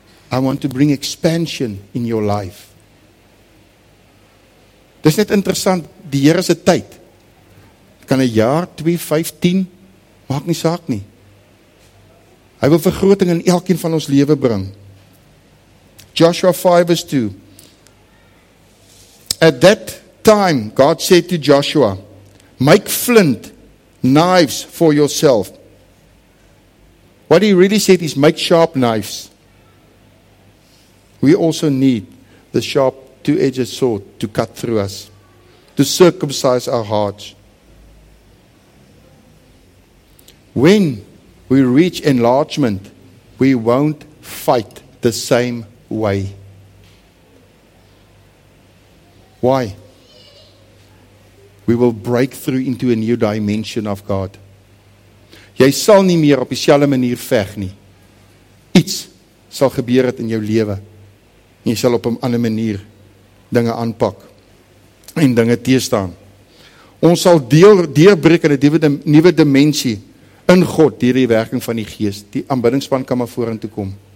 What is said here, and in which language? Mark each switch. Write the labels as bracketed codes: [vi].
[en] I want to bring expansion in your life. [af] Dit is net interessant, die Here se tyd. Kan 'n jaar, 2, 5, 10, maak nie saak nie. Hy wil vergroting in elkeen van ons lewe bring. Joshua 5 is 2. [en] At that time, God said to Joshua, make flint knives for yourself. What he really said is make sharp knives. We also need the sharp two-edged sword to cut through us, to circumcise our hearts. When we reach enlargement, we won't fight the same way. Why? We will break through into a new dimension of God. [af] Jy sal nie meer op dieselfde manier veg nie. Iets sal gebeur het in jou lewe. En jy sal op 'n ander manier dinge aanpak en dinge teestaan. Ons sal deurbreek in 'n nuwe dimensie in God deur die werking van die Gees. Die aanbiddingspan kan maar vorentoe kom.